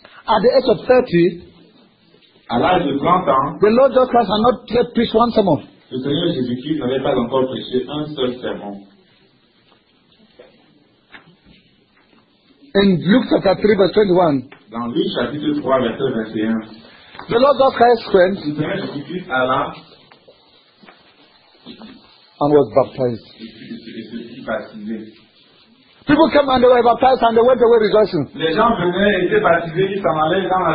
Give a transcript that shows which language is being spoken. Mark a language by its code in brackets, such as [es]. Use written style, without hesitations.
[en] At the age of 30, [fr] à l'âge de 30 ans, [en] the Lord Jesus Christ had not yet preached one sermon. [fr] Le Seigneur Jésus-Christ n'avait pas encore prêché un seul sermon. [en] In Luke chapter 3, verse 21, [fr] dans Luc chapitre 3, verset 21, [en] the Lord Jesus Christ went, [fr] le Seigneur Jésus-Christ alla, [en] and was baptized. [fr] Et se fit baptiser. [en] People came and they were baptized and they went away rejoicing. [fr] Les gens venaient et étaient baptisés, ils s'en allaient dans la